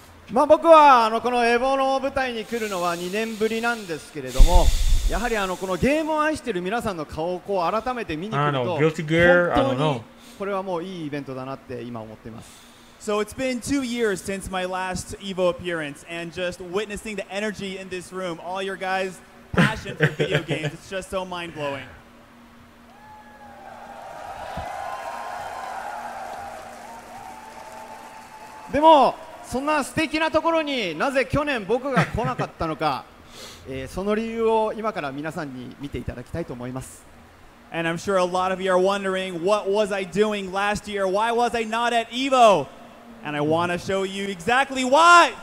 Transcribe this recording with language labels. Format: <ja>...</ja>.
<ja>まあ、僕はあのこのエボの舞台に来るのは2年ぶりなんですけれどもやはりあのこのゲームを愛している皆さんの顔をこう改めて見に来ると本当にこれはもういいイベントだなって今思っています</ja> <en>So it's been 2 years since my last EVO appearance and just witnessing the energy in this room all your guys passion for video games it's just so mind blowing</en> <ja>でもそんな素敵なところになぜ去年僕が来なかったのか、その理由を今から皆さんに見ていただきたいと思います</ja> <en>And I'm sure a lot of you are wondering what was I doing last year? Why was I not at EVO? And I want to show you exactly why!</en>